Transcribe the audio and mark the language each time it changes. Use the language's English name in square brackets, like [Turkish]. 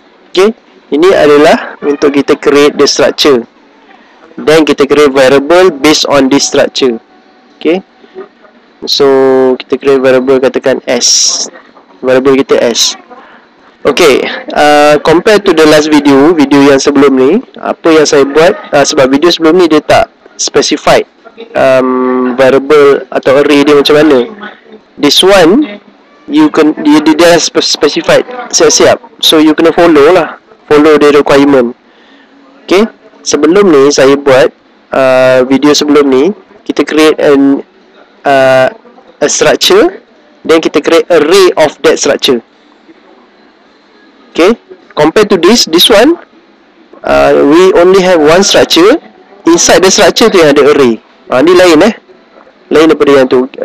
[Malay] Okay, ini adalah untuk kita [English] create the structure. Then kita create variable based on this structure. Okay, so kita create variable, katakan S. Variable kita S. [Malay] Okay, [English] compare to the last video, [Malay] video yang sebelum ni, apa yang saya buat, sebab video sebelum ni dia tak specified variable atau array dia macam mana. [English] This one you can, [Malay] dia dah specified siap-siap, [English] so you kena follow lah, follow the requirement. [Malay] Okay, sebelum ni saya buat video sebelum ni, kita [English] create a structure, [Malay] then kita [English] create array of that structure. Okay, compared to this one we only have one structure. Inside the structure [Malay] tu yang ada [English] array. [Malay] Ni lain eh, lain daripada yang tu.